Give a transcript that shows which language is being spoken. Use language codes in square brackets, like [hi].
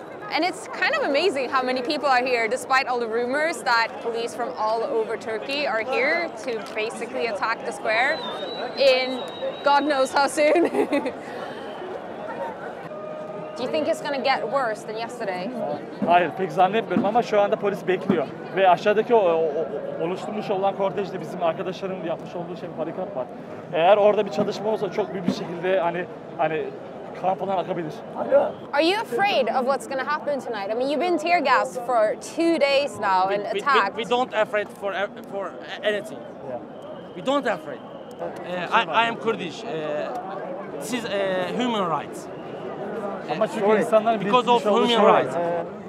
[en] And it's kind of amazing how many people are here, despite all the rumors that police from all over Turkey are here to basically attack the square in God knows how soon. Do you think it's going to get worse than yesterday? [tr] Hayır, pek zannetmiyorum ama şu anda polis bekliyor. Ve aşağıdaki oluşturmuş olan kortejde bizim arkadaşların yapmış olduğu şey barikat var. Eğer orada bir çalışma olsa çok büyük bir şekilde hani kan falan akabilir. [en] Are you afraid of what's going to happen tonight? I mean, you've been tear gassed for 2 days now and attacked. We don't afraid for anything. Yeah. We don't afraid. I am Kurdish. This is human rights. Because of human rights.